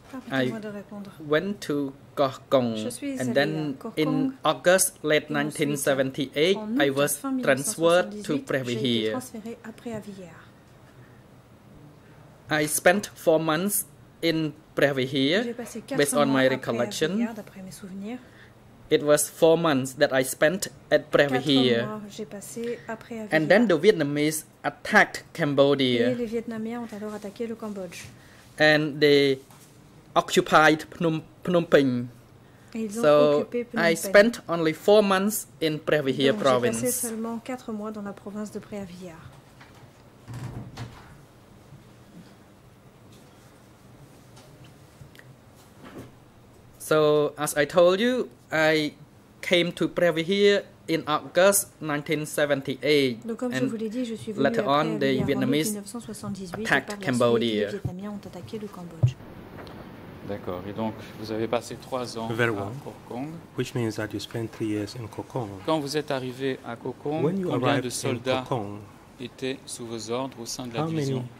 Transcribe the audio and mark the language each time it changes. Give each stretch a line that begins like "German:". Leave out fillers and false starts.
English: I went to Koh Kong, and then in August late 1978, I was transferred to Pravihir. I spent 4 months in Pravihir, based on my recollection. It was 4 months that I spent at Pravihir. And then the Vietnamese attacked Cambodia.
French: Et les Vietnamiens ont alors attaqué le Cambodge.
English: And they occupied Phnom Penh. So I spent only 4 months in Pravihir province.
French: J'ai passé seulement 4 mois dans la province de Pravihir.
English: So as I told you, I came to Pravihir in August 1978, and later on, the Vietnamese attacked Cambodia.
French: Les Vietnamiens ont attaqué le Cambodge. D'accord. Et donc, vous avez passé 3 ans à Koh Kong.
English: Which means that you spent 3 years in Koh Kong.
French: Quand vous êtes arrivé à Koh Kong, combien de soldats étaient sous vos ordres au sein de la division 1?